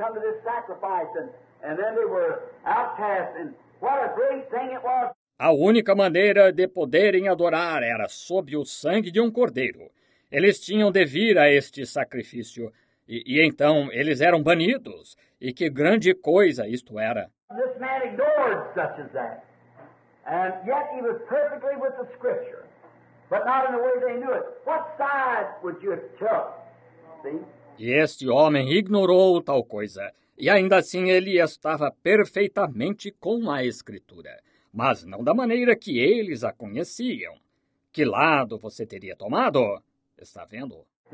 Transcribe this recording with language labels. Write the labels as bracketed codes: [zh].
[pt] Eles tinham que vir a este sacrifício. E então eles foram outcastes. Que grande coisa foi! A única maneira de poderem adorar era sob o sangue de um cordeiro. Eles tinham de vir a este sacrifício, e então eles eram banidos, e que grande coisa isto era. [en] This man ignored such as that, and yet he was perfectly with the scripture, but not in the way they knew it. What side would you have took? See? [pt] E este homem ignorou tal coisa, E ainda assim ele estava perfeitamente com a Escritura, mas não da maneira que eles a conheciam. Que lado você teria tomado? Está vendo?